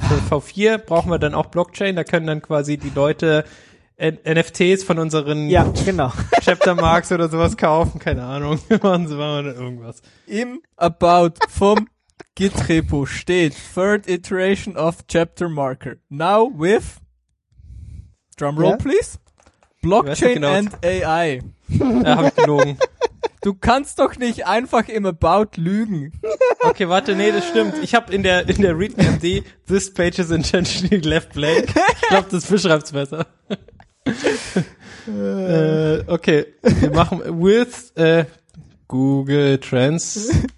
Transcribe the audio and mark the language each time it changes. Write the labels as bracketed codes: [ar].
[de] Für V4 brauchen wir dann auch Blockchain. Da können dann quasi die Leute NFTs von unseren Chapter Marks oder sowas kaufen. Keine Ahnung. Machen wir irgendwas. Im About vom Git-Repo steht Third Iteration of Chapter Marker. [en] Now with Drumroll, please. Blockchain and AI. [de] Ja, hab ich gelogen. Du kannst doch nicht einfach im About lügen. Okay, warte, nee, das stimmt. Ich hab in der ReadMD, [en] this page is intentionally left blank. [de] Ich glaub, das beschreibt's besser. Okay, wir machen with Google Trans.